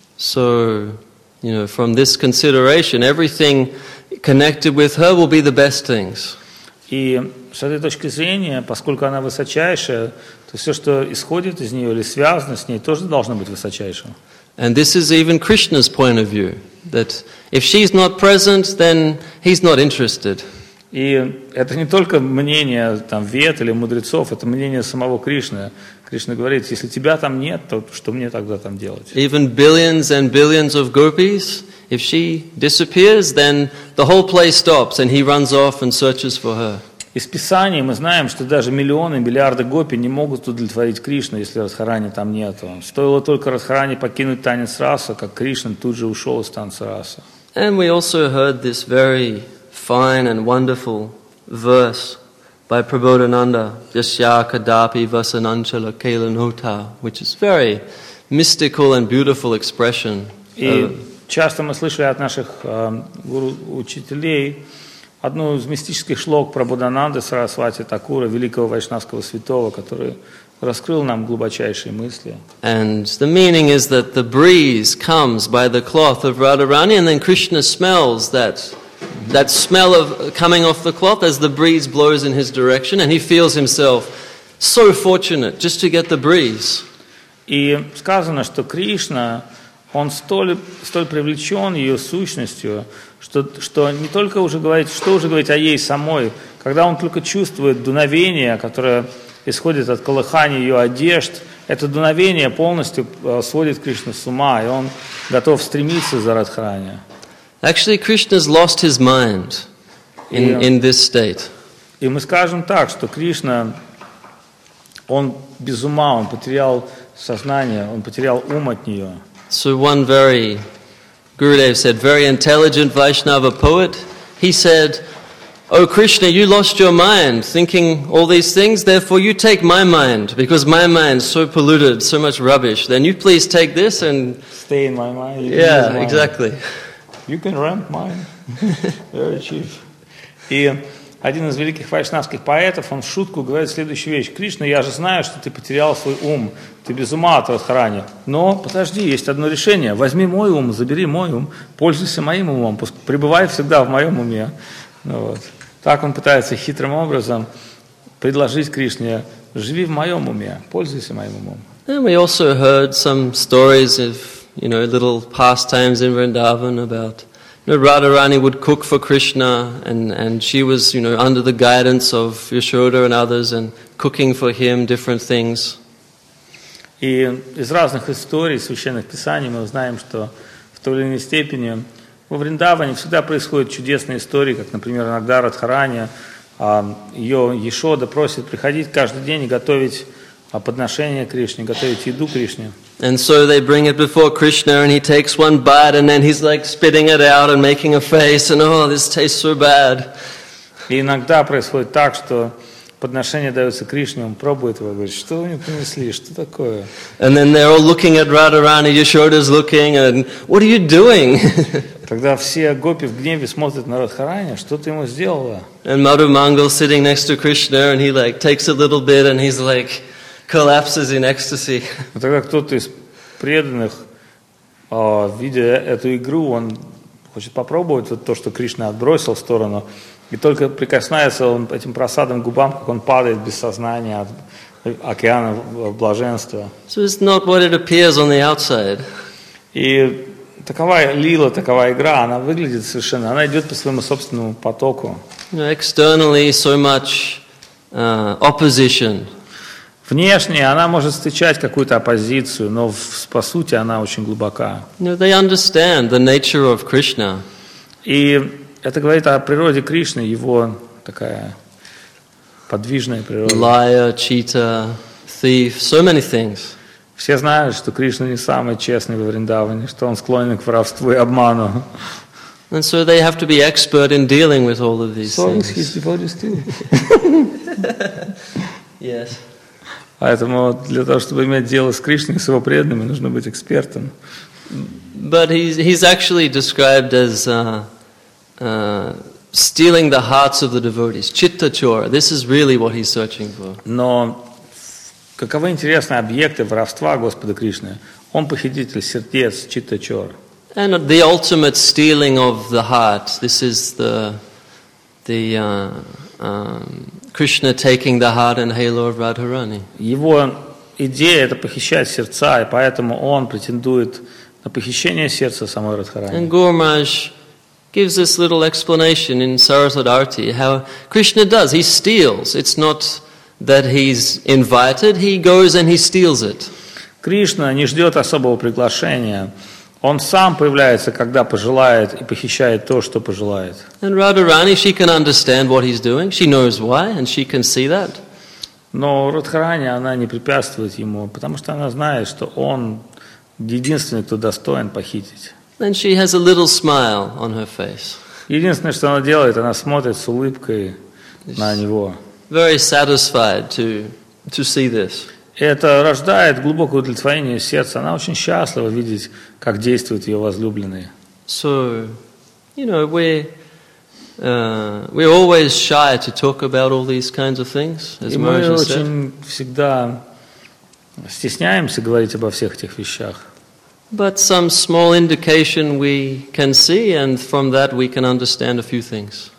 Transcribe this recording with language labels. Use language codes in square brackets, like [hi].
[en] So, you know, from this consideration, everything connected with her will be the best things. [ru] И с этой точки зрения, поскольку она высочайшая, то все, что исходит из нее или связано с ней, тоже должно быть высочайшим. [en] And this is even Krishna's point of view, that if she's not present, then he's not interested. [ru] И это не только мнение там вед или мудрецов, это мнение самого Кришны. Кришна говорит, если тебя там нет, то что мне тогда там делать? [en] Even billions and billions of gopis, if she disappears, then the whole place stops, and he runs off and searches for her. [ru] Из Писания мы знаем, что даже миллионы, миллиарды гопи не могут удовлетворить Кришну, если Радхарани там нет. Стоило только Радхарани покинуть танец раса, как Кришна тут же ушел из танца раса. [en] And we also heard this very fine and wonderful verse by Prabodhananda, [sa] Yasya Kadapi Vasanachala Kalanota, [en] which is very mystical and beautiful expression. [ru] И часто мы слышали от наших гуру учителей одну из мистических шлок Прабодхананды Сарасвати Такура, великого вайшнавского святого, который раскрыл нам глубочайшие мысли. [en] And the meaning is that the breeze comes by the cloth of Radharani, and then Krishna smells that smell of coming off the cloth as the breeze blows in his direction, and he feels himself so fortunate just to get the breeze. [ru] И сказано, что Кришна, он столь привлечен ее сущностью, что не только уже говорит, что уже говорить о ней самой, когда он только чувствует дуновение, которое исходит от колыхания ее одежд, это дуновение полностью сводит Кришну с ума, и он готов стремиться за Радхарани. [en] Actually, Krishna's lost his mind in this state. [ru] И мы скажем так, что Кришна, он без ума, он потерял сознание, он потерял ум от нее. [en] So one very, Gurudev said, very intelligent Vaishnava poet, he said, O Krishna, you lost your mind thinking all these things, therefore you take my mind, because my mind's so polluted, so much rubbish, then you please take this and... Stay in my mind. Yeah, exactly. You can rent mine. Very cheap. [ru] И один из великих вайшнавских поэтов, он в шутку говорит следующую вещь. Кришна, я же знаю, что ты потерял свой ум. Ты без ума от Радхарани. Но, подожди, есть одно решение. Возьми мой ум, забери мой ум. Пользуйся моим умом. Пребывай всегда в моем уме. Ну, вот. Так он пытается хитрым образом предложить Кришне. Живи в моем уме. Пользуйся моим умом. [en] And we also heard some stories of, you know, little pastimes in Vrindavan about Radharani would cook for Krishna, and she was, you know, under the guidance of Yashoda and others, and cooking for him different things. [ru] И из разных историй священных писаний мы знаем, что в той или иной степени во Вриндаване всегда происходят чудесные истории, как, например, иногда Радхарани, ее Яшода просит приходить каждый день и готовить подношение Кришне, готовить еду Кришне. [en] And so they bring it before Krishna, and he takes one bite, and then he's like spitting it out and making a face, and oh, this tastes so bad. [ru] И иногда происходит так, что подношение дается Кришне, он пробует его, говорит, что вы мне принесли, что такое? [en] And then they're all looking at Radharani, Yashoda's looking, and what are you doing? [ru] Тогда все гопи в гневе смотрят на Радхарани, что ты ему сделала? [en] And Madhu Mangal sitting next to Krishna, and he like takes a little bit, and he's like collapses in ecstasy. [ru] Тогда кто-то из преданных, видя эту игру, он хочет попробовать то, что Кришна отбросил в сторону. И только прикоснается он этим просадом к губам, как он падает без сознания от океана блаженства. [en] So it's not what it appears on the outside. [ru] И такова лила, такова игра, она выглядит совершенно, она идет по своему собственному потоку. [en] You know, externally so much opposition. [ru] Внешне она может встречать какую-то оппозицию, но по сути она очень глубока. [en] You know, they understand the nature of Krishna. [ru] И это говорит о природе Кришны, его такая подвижная природа. [en] Liar, cheater, thief, so many things. [ru] Все знают, что Кришна не самый честный во Вриндаване, что он склонен к воровству и обману. [en] And so they have to be expert in dealing with all of these things. His devotees too. Yes. [ru] Поэтому для того, чтобы иметь дело с Кришной, с его преданными, нужно быть экспертом. [en] But he's actually described as stealing the hearts of the devotees. Chitta chora. This is really what he's searching for. [ru] Но каковы интересные объекты воровства Господа Кришны? Он похититель сердец, читта чор. [en] And the ultimate stealing of the heart. This is Krishna taking the heart and halo of Radharani. [ru] Его идея — это похищать сердца, и поэтому он претендует на похищение сердца самой Радхарани. [en] And Gurmaj gives this little explanation in Sarasvati how Krishna does. He steals. It's not that he's invited. He goes and he steals it. [ru] Кришна не ждет особого приглашения. Он сам появляется, когда пожелает, и похищает то, что пожелает. [en] And Radharani, she can understand what he's doing. She knows why, and she can see that. [ru] Но Радхарани, она не препятствует ему, потому что она знает, что он единственный, кто достоин похитить. [en] And she has a little smile on her face. [ru] Единственное, что она делает, она смотрит с улыбкой на него. [en] Very satisfied to see this. [ru] Это рождает глубокое удовлетворение сердца. Она очень счастлива видеть, как действуют ее возлюбленные. [en] So, you know, we're always shy to talk about all these kinds of things, as Maharaj said. [ru] И мы очень всегда стесняемся говорить обо всех этих вещах. [en] But some small indication we can see, and from that we can understand a few things.